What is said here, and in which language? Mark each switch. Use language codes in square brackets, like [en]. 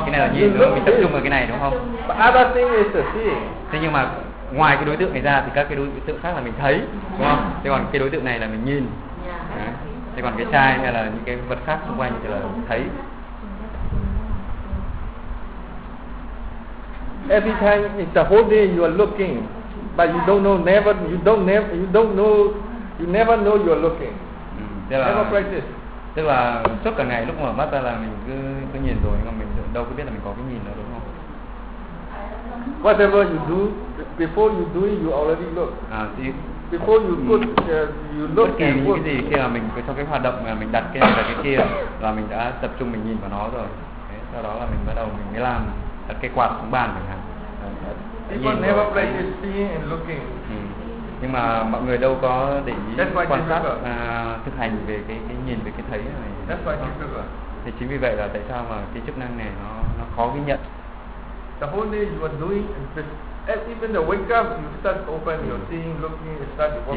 [vi] Cái này là nhìn đúng không? Mình tập trung vào cái này đúng không? [en] But other thing is the seeing. [vi] Thế nhưng mà ngoài cái đối tượng này ra thì các cái đối tượng khác là mình thấy, đúng không? Thế còn cái đối tượng này là mình nhìn. Thế còn cái chai hay là những cái vật khác xung quanh thì là thấy. [en] Every time, it's the whole day you are looking, but you don't know, never, you never know you are looking. Never practice. [vi] Tức là suốt cả ngày lúc mở mắt ra là mình cứ nhìn rồi, nhưng mà mình đâu có biết là mình có cái nhìn đó, đúng không? [en] Whatever you do, before you do it, you already look. Before you put, you look [vi] Bất kỳ những cái gì khi mà mình trong cái hoạt động mà mình đặt cái này và cái kia là mình đã tập trung mình nhìn vào nó rồi. Đấy, sau đó là mình bắt đầu mình mới làm đặt cái quạt xuống bàn chẳng hạn. [en] People never play the seeing and looking. [vi] Nhưng mà mọi người đâu có để ý quan sát thực hành về cái nhìn về cái thấy này. [en] That's why difficult. [vi] Thì chính vì vậy là tại sao mà cái chức năng này nó khó ghi nhận. [en] The whole day you are doing, and even the wake up, you start open your seeing, looking, you start working.